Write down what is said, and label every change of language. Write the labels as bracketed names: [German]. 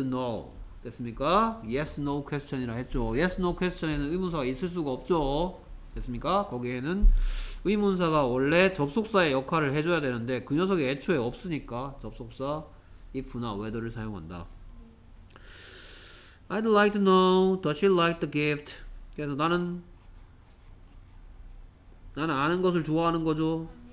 [Korean] no. 됐습니까? Yes, no question이라 했죠. Yes, no question에는 의문사가 있을 수가 없죠. 됐습니까? 거기에는 의문사가 원래 접속사의 역할을 해줘야 되는데 그 녀석이 애초에 없으니까 접속사 if나 whether를 사용한다. [English] I'd like to know, does she like the gift? [Korean] 그래서 나는 아는 것을 좋아하는 거죠.